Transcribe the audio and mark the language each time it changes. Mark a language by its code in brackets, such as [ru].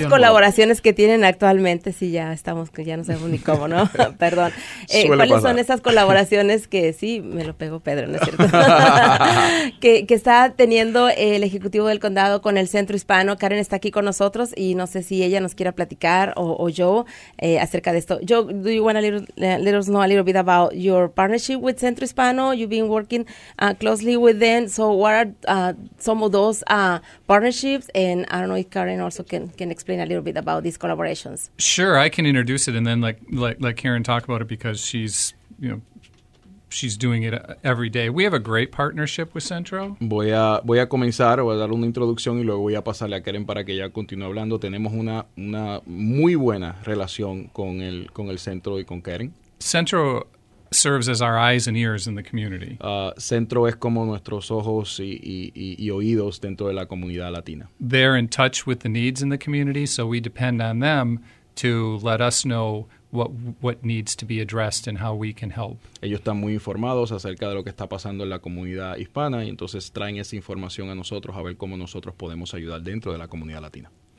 [es] Esas colaboraciones que tienen actualmente, sí, ya no sabemos ni cómo, ¿no? Perdón. ¿Cuáles son esas colaboraciones que, sí, me lo pegó Pedro, ¿no es cierto? que está teniendo el Ejecutivo del Condado con el Centro Hispano. Karen está aquí con nosotros y no sé si ella nos quiera platicar o yo acerca de esto. [en] Joe, do you want to let us know a little bit about your partnership with Centro Hispano? You've been working closely with them. So what are some of those partnerships, and I don't know if Karen also can explain a little bit about these collaborations. Sure, I can introduce it and then let Karen talk about it because she's doing it every day. We have a great partnership with Centro. [es] Voy a comenzar, voy a dar una introducción y luego voy a pasarle a Karen para que ella continúe hablando. Tenemos una muy buena relación con el Centro y con Karen. [en] Centro serves as our eyes and ears in the community. [es] Centro es como nuestros ojos y oídos dentro de la comunidad latina. [en] They're in touch with the needs in the community, so we depend on them to let us know what needs to be addressed and how we can help. [es] Ellos están muy informados acerca de lo que está pasando en la comunidad hispana y entonces traen esa información a nosotros a ver cómo nosotros podemos ayudar dentro de la comunidad latina.